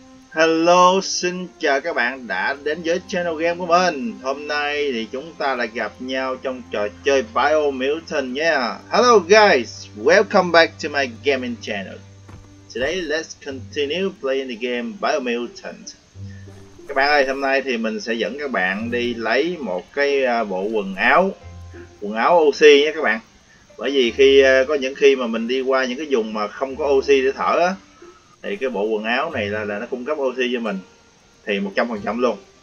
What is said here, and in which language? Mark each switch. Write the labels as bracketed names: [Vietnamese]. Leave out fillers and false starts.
[Vietnamese] Hello, xin chào các bạn đã đến với channel game của mình. Hôm nay thì chúng ta lại gặp nhau trong trò chơi Biomutant nha. [English] Hello guys, welcome back to my gaming channel. Today let's continue playing the game Biomutant. [Vietnamese] Các bạn ơi, hôm nay thì mình sẽ dẫn các bạn đi lấy một cái bộ quần áo oxy nha các bạn. Bởi vì khi có những khi mà mình đi qua những cái vùng mà không có oxy để thở á, thì cái bộ quần áo này là nó cung cấp oxy cho mình thì 100% luôn.